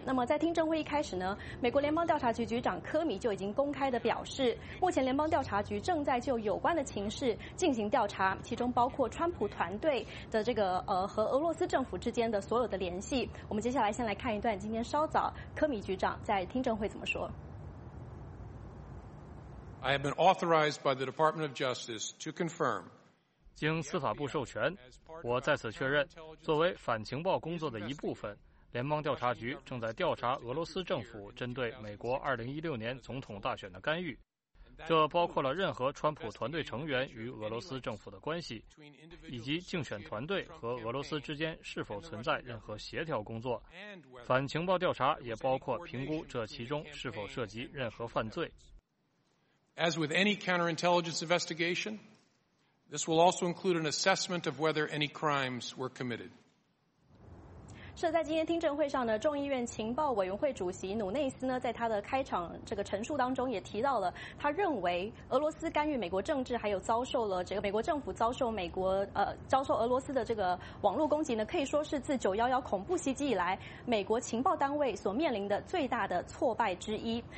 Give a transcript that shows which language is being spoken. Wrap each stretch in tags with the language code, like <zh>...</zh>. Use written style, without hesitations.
<zh>那么在听证会一开始呢，美国联邦调查局局长科米就已经公开的表示，目前联邦调查局正在就有关的情势进行调查，其中包括川普团队的这个和俄罗斯政府之间的所有的联系。我们接下来先来看一段今天稍早科米局长在听证会怎么说。</zh> <en>I have been authorized by the Department of Justice to confirm.</en> <zh>经司法部授权，我再次确认，作为反情报工作的一部分，联邦调查局正在调查俄罗斯政府针对美国2016年总统大选的干预，这包括了任何川普团队成员与俄罗斯政府的关系，以及竞选团队和俄罗斯之间是否存在任何协调工作。反情报调查也包括评估这其中是否涉及任何犯罪。</zh> <en>As with any counterintelligence investigation, this will also include an assessment of whether any crimes were committed.</en> <zh>是在今天听证会上呢，众议院情报委员会主席努内斯呢，在他的开场这个陈述当中也提到了，他认为俄罗斯干预美国政治，还有遭受了这个美国政府遭受美国遭受俄罗斯的这个网络攻击呢，可以说是自911恐怖袭击以来，美国情报单位所面临的最大的挫败之一。</zh>